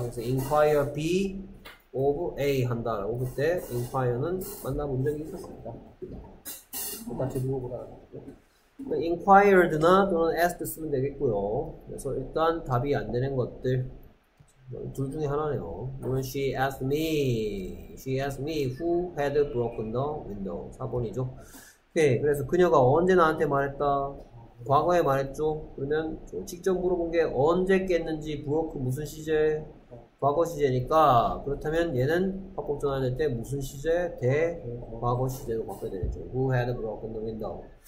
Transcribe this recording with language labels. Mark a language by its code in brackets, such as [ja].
[ko] 그래서 Inquire B of A 한다라고 그때 Inquire는 만나본 적이 있었습니다. 똑같이 물어보라. Inquired나 또는 asked 쓰면 되겠고요. 그래서 일단 답이 안 되는 것들 둘 중에 하나네요. [en] She asked me. She asked me who had broken the window. [ko] 4번이죠. 오케이. 그래서 그녀가 언제 나한테 말했다? 과거에 말했죠. 그러면 직접 물어본 게 언제 깼는지 broke 무슨 시제? 과거 시제니까 그렇다면 얘는 화법 전환할 때 무슨 시제? 대 과거 시제로 바꿔야 되겠죠. [en] Who had broken the window?